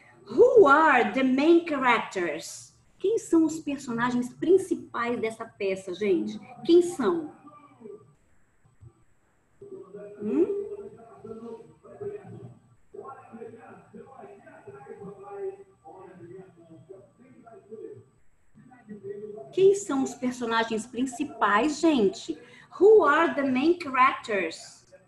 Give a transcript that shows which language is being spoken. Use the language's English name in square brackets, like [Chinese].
[English] Who are the main characters? [Portuguese] Quem são os personagens principais dessa peça, gente? Quem são? Quem são os personagens principais, gente? [English] Who are the main characters?